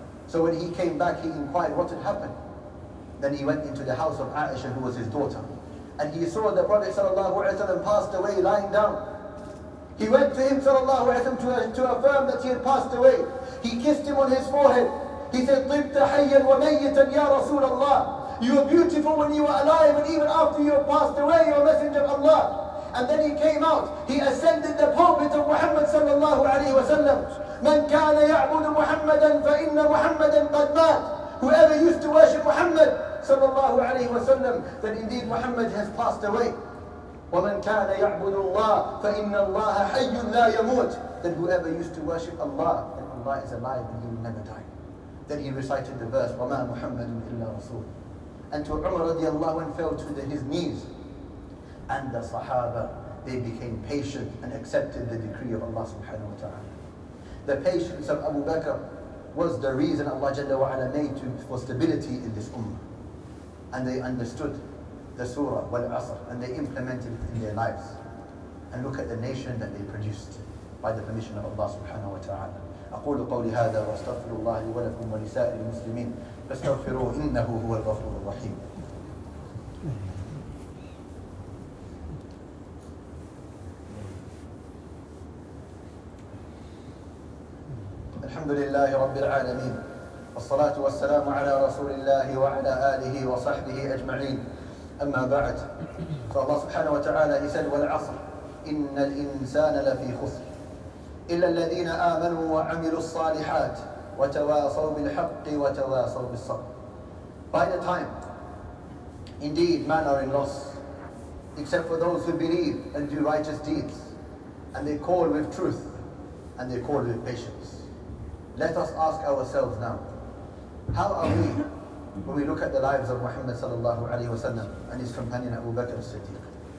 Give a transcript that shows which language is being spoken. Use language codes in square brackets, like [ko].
[en] So when he came back, he inquired what had happened. Then he went into the house of Aisha, who was his daughter. And he saw the Prophet sallallahu alayhi wa sallam passed away lying down. He went to him sallallahu alayhi wa sallam to affirm that he had passed away. He kissed him on his forehead. He said, [ar] طِبْتَ حَيًّا وَمَيِّتًا يَا رَسُولَ اللَّهِ. [en] You are beautiful when you are alive and even after you have passed away, you are messenger of Allah. And then he came out. He ascended the pulpit of Muhammad sallallahu alayhi wa sallam. [ar] مَنْ كَانَ يَعْبُدُ مُحَمَّدًا فَإِنَّ مُحَمَّدًا قَدْ مَاتْ. [en] Whoever used to worship Muhammad sallallahu alayhi wa sallam, then indeed Muhammad has passed away. [ar] وَمَنْ كَانَ يَعْبُدُ اللَّهِ فَإِنَّ اللَّهَ حَيٌّ لَا يَمُوتْ. [en] Then whoever used to worship Allah, then Allah is alive and he will never die. Then he recited the verse, [ar] وَمَا مُحَمَّدٌ إِلَّا رَسُولٌ. [en] And to Umar radiallahu anhu fell to his knees. And the Sahaba, they became patient and accepted the decree of Allah subhanahu wa ta'ala. The patience of Abu Bakr was the reason Allah jalla wa ala made for stability in this ummah. And they understood the Surah Wal Asr and they implemented it in their lives. And look at the nation that they produced by the permission of Allah subhanahu wa ta'ala. [ar] أقول قولي هذا واستغفر الله لي ولكم ولسائر المسلمين فاستغفروه إنه هو الغفور الرحيم. الحمد لله رب العالمين والصلاة والسلام على رسول الله وعلى آله وصحبه أجمعين. أما بعد, فالله سبحانه وتعالى يسأل والعصر إن الإنسان لفي خسر إلا الذين آمنوا وعملوا الصالحات وتواصوا بالحق وتواصوا بالصبر. [en] By the time, indeed men are in loss, except for those who believe and do righteous deeds, and they call with truth, and they call with patience. Let us ask ourselves now, how are we when we look at the lives of Muhammad sallallahu alayhi wa sallam and his companion Abu Bakr as-Siddiq?